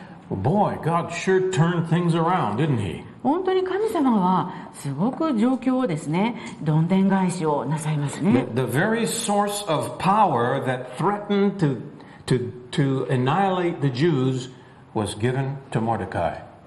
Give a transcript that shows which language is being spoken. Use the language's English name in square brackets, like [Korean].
[English] Boy, God sure turned things around, didn't he? [Japanese] 本当に神様はすごく状況をですね、どんでん返しをなさいますね。 [English] The very source of power that threatened to annihilate the Jews was given to Mordecai.